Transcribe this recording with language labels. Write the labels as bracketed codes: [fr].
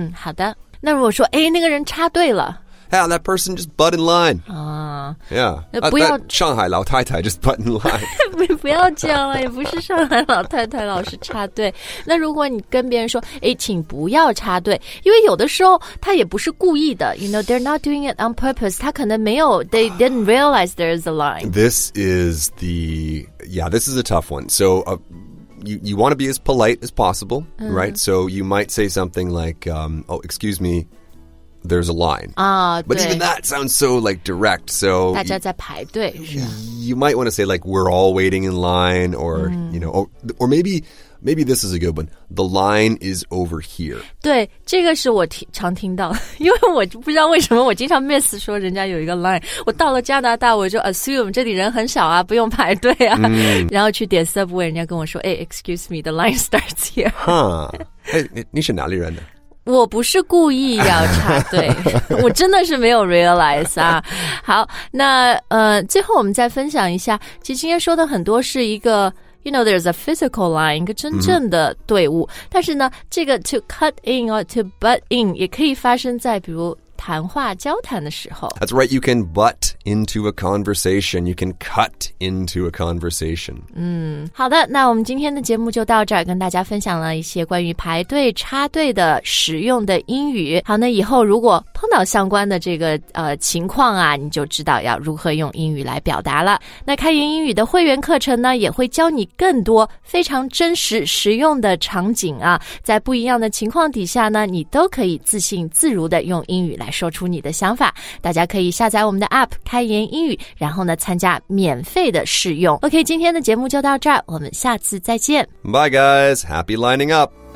[zh] 好的。那如果说，哎，那个人插队了。 [en] Yeah, that person just butt in line. That Shanghai [zh] 老太太 [en] just butt in line. [zh] 不要这样了，也不是上海老太太老是插队。那如果你跟别人说，哎，请不要插队，因为有的时候他也不是故意的。 [en] You know, they're not doing it on purpose. [zh] 他可能没有 [en] they didn't realize there is a line. This is a tough one. So you want to be as polite as possible, right? So you might say something like, excuse me. There's a line. But even that sounds so like direct. So [zh] 大家在排队。 [en] You might want to say like, we're all waiting in line or, you know, or maybe this is a good one. The line is over here. [zh] 对，这个是我常听到，因为我不知道为什么我经常 miss 说人家有一个 line。我到了加拿大，我就 assume 这里人很少啊，不用排队啊。然后去点 Subway， 人家跟我说，哎， [en] excuse me, the line starts here. [zh] 哈，哎，你是哪里人呢？我不是故意要插队我真的是没有 realize 啊。好，那最后我们再分享一下，其实今天说的很多是一个 [en] you know there's a physical line, [zh] 一个真正的队伍，但是呢这个 [en] to cut in or to butt in [zh] 也可以发生在比如谈话交谈的时候。 [en] That's right, you can butt into a conversation, you can cut into a conversation. [zh] 好的，那我们今天的节目就到这儿，跟大家分享了一些关于排队插队的实用的英语。好，那以后如果碰到相关的这个情况啊，你就知道要如何用英语来表达了。那开言英语的会员课程呢，也会教你更多非常真实实用的场景啊，在不一样的情况底下呢，你都可以自信自如的用英语来说出你的想法。大家可以下载我们的 app 开言英语，然后呢参加免费的试用。 OK, 今天的节目就到这儿，我们下次再见。 [en] Bye guys, happy lining up.